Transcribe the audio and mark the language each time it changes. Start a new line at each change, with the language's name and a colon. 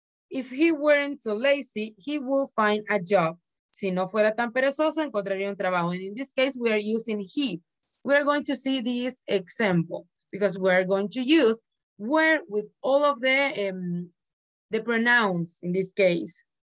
English: If he weren't so lazy, he would find a job.
Spanish: Si no fuera tan perezoso, encontraría un trabajo.
English: And in this case, we are using he. We are going to see this example because we are going to use where with all of the pronouns in this case.